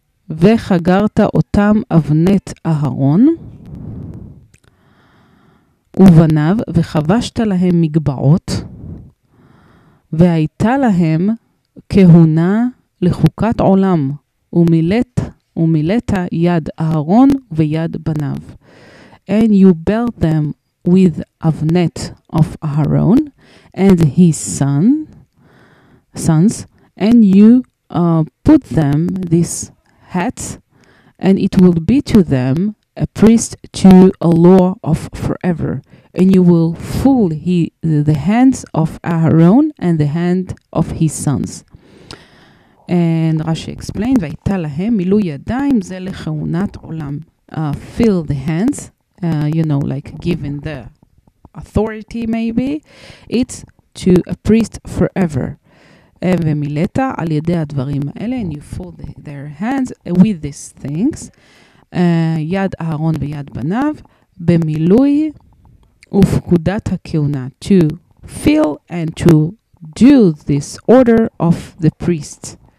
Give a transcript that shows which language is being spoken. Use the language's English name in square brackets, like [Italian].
[Hebrew] וחגרת אותם אבנת אהרון, ובניו, וחבשת להם מגבעות, והייתה להם כהונה לחוקת עולם, ומילאת יד אהרון ויד בניו. [English] And you bear them with Avnet of Aharon and his sons, and you put them this hat, and it will be to them a priest to a law of forever, and you will fool the hands of Aharon and the hand of his sons. And Rashi explained, [Hebrew] ויתה להם מילו ידיים זה לכהונת עולם. [English] Fill the hands, you know, like given the authority, maybe it's to a priest forever. [Hebrew] ומילאתה על ידי הדברים האלה, [English] and you fold their hands with these things, [Hebrew] יד אהרון ויד בניו, במילוי ופקודת הכהונה, [English] to fill and to do this order of the priest.